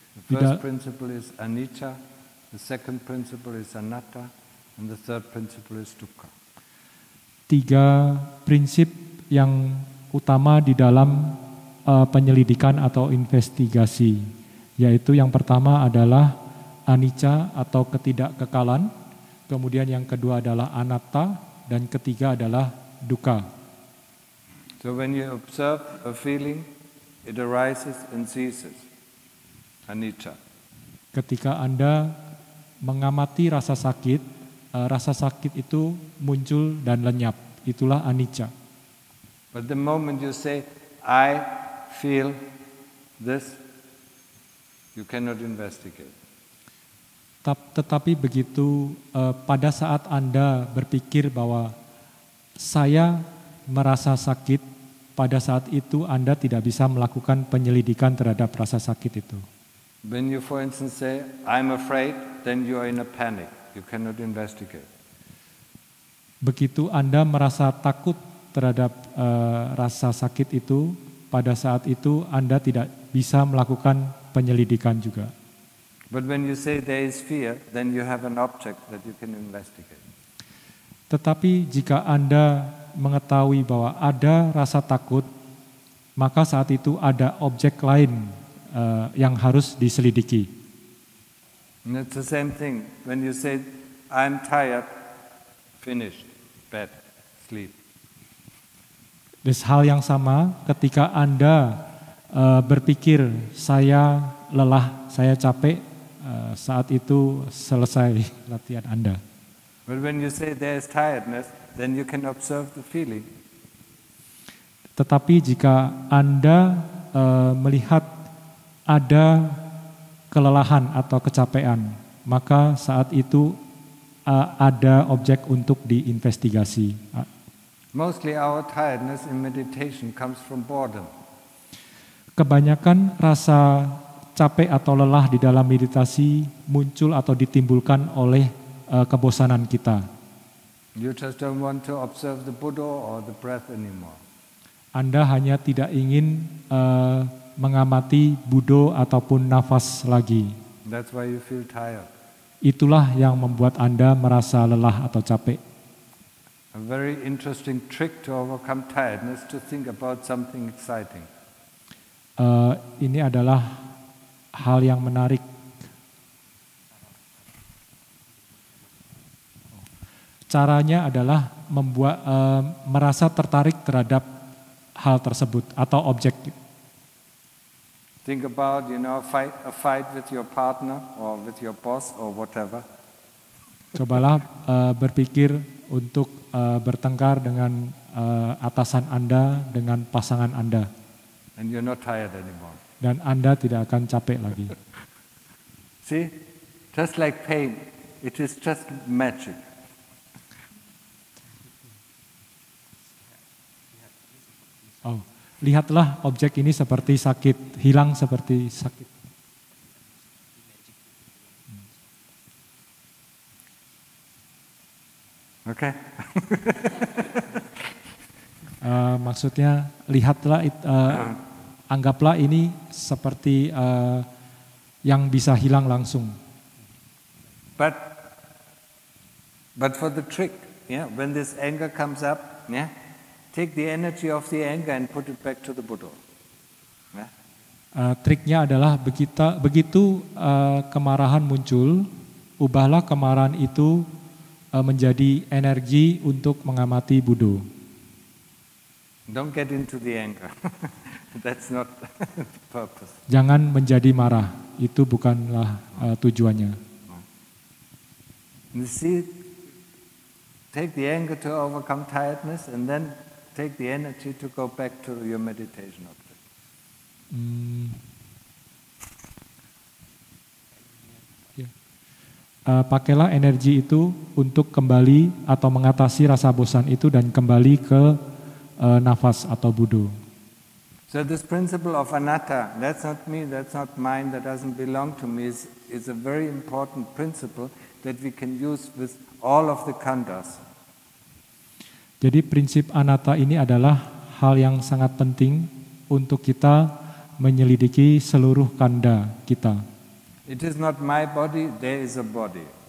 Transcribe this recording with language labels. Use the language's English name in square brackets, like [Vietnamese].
[English] The first principle is anicca, the second principle is anatta, and the third principle is dukkha. [Indonesian] Tiga prinsip yang utama di dalam penyelidikan atau investigasi, yaitu yang pertama adalah anicca atau ketidakkekalan, kemudian yang kedua adalah anatta, dan ketiga adalah dukkha. [English] So when you observe a feeling, it arises and ceases. Anicca. [Indonesian] Ketika Anda mengamati rasa sakit itu muncul dan lenyap. Itulah anicca. [English] But the moment you say, I feel this, you cannot investigate. [Indonesian] Tetapi begitu pada saat Anda berpikir bahwa saya merasa sakit, pada saat itu Anda tidak bisa melakukan penyelidikan terhadap rasa sakit itu. [English] When you, for instance, say, I'm afraid, then you are in a panic. You cannot investigate. [Indonesian] Begitu Anda merasa takut terhadap rasa sakit itu, pada saat itu Anda tidak bisa melakukan penyelidikan juga. [English] But when you say there is fear, then you have an object that you can investigate. [Indonesian] Tetapi jika Anda mengetahui bahwa ada rasa takut, maka saat itu ada objek lain yang harus diselidiki. [English] And it's the same thing. When you say, I'm tired, finished, bed, sleep. [Indonesian] Des hal yang sama ketika Anda berpikir saya lelah, saya capek, saat itu selesai latihan Anda. [English] But when you say there is tiredness, then you can observe the feeling. [Indonesian] Tetapi jika Anda melihat ada kelelahan atau kecapean, maka saat itu ada objek untuk diinvestigasi. [English] Mostly our tiredness in meditation comes from boredom. [Indonesian] Kebanyakan rasa capek atau lelah di dalam meditasi muncul atau ditimbulkan oleh kebosanan kita. [English] You just don't want to observe the Buddha or the breath anymore. [Indonesian] Anda hanya tidak ingin mengamati Buddha ataupun nafas lagi. [English] That's why you feel tired. [Indonesian] Itulah yang membuat Anda merasa lelah atau capek. [English] A very interesting trick to overcome tiredness to think about something exciting. [Indonesian] Ini adalah hal yang menarik. Caranya adalah membuat merasa tertarik terhadap hal tersebut atau objek. [English] Think about, you know, a fight with your partner or with your boss or whatever. [Indonesian] Cobalah berpikir untuk bertengkar dengan atasan Anda, dengan pasangan Anda. [English] And you're not tired anymore. [Indonesian] Dan Anda tidak akan capek lagi. [English] See, just like pain, it is just magic. [Indonesian] Oh, lihatlah objek ini seperti sakit, hilang seperti sakit. [English] Okay. [Indonesian] Maksudnya, lihatlah anggaplah ini seperti yang bisa hilang langsung. [English] But for the trick, yeah, when this anger comes up, yeah, take the energy of the anger and put it back to the Buddha. Yeah. [Indonesian] Triknya adalah begitu kemarahan muncul, ubahlah kemarahan itu menjadi energi untuk mengamati Buddha. [English] Don't get into the anger. That's not the purpose. [Indonesian] Jangan menjadi marah. Itu bukanlah tujuannya. [English] You see, take the anger to overcome tiredness and then take the energy to go back to your meditation object. [Indonesian] Pakailah energi itu untuk kembali atau mengatasi rasa bosan itu dan kembali ke nafas atau Buddha. [English] So this principle of anatta, that's not me, that's not mine, that doesn't belong to me, is a very important principle that we can use with all of the khandhas. [Indonesian] Jadi prinsip anatta ini adalah hal yang sangat penting untuk kita menyelidiki seluruh khandha kita. [English] It is not my body, there is a body.